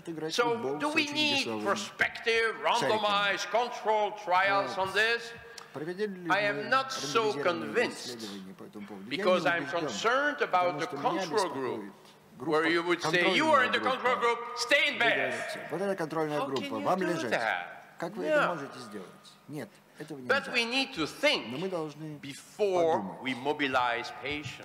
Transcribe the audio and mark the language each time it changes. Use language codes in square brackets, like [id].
[en] So do we need prospective, randomized, controlled trials on this? I am not so convinced, because I'm concerned about the control group. Where you would say, you are in the control group, stay in bed. [ru] Вот эта контрольная группа, вам лежать. Как вы это можете сделать? Нет, этого нельзя. [en] But we need to think before we mobilize patients.